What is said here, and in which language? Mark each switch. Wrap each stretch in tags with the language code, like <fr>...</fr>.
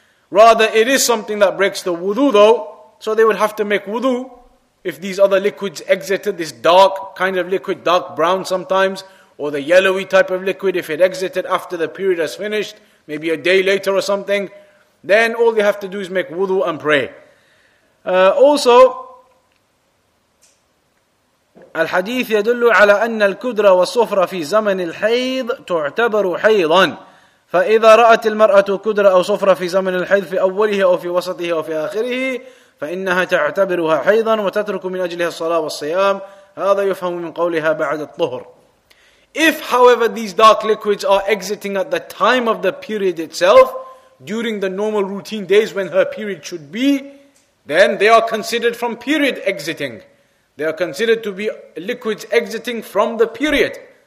<en>Rather, it is something that breaks the wudu though, so they would have to make wudu if these other liquids exited, this dark kind of liquid, dark brown sometimes, or the yellowy type of liquid, if it exited after the period has finished, maybe a day later or something, then all they have to do is make wudu and pray.</en> <ar>Also, الحديث يدل على أن الكدرة والصفرة في زمن الحيض تعتبر حيضا فإذا رأت المرأة كدرة أو صفرة في زمن الحيض في أوله أو في وسطه أو في آخره فإنها تعتبرها حيضا وتترك من أجلها الصلاة والصيام هذا يفهم من قولها بعد الطهر.</ar> <en>If however these dark liquids are exiting at the time of the period itself, during the normal routine days when her period should be, then they are considered from period exiting. They are considered to be liquids exiting from the period.</en>